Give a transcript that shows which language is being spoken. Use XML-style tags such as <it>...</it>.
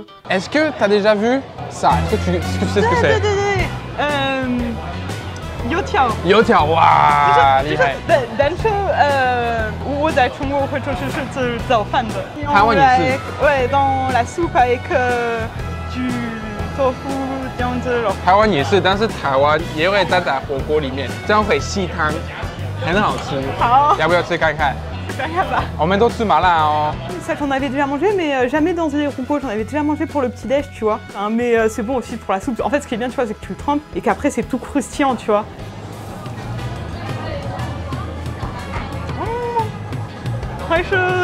<fr>Est-ce que tu as déjà vu ça? Est-ce que tu sais ce que c'est? Attends, Yo Tiao, waouh, D'ailleurs, dans la soupe avec du tofu.</fr> <zh>台湾也是，但是台湾也会沾在火锅里面，这样会吸汤，很好吃。好，要不要吃看看？看看吧。我们都吃麻辣哦。</zh> <fr>Ça, j'en avais déjà mangé, mais jamais dans les rongos. J'en avais déjà mangé pour le petit déj, tu vois. Hein, mais c'est bon aussi pour la soupe. En fait, ce qui est bien, tu vois, c'est que tu le trempes et qu'après, c'est tout croustillant, tu vois. Très chaud.</fr>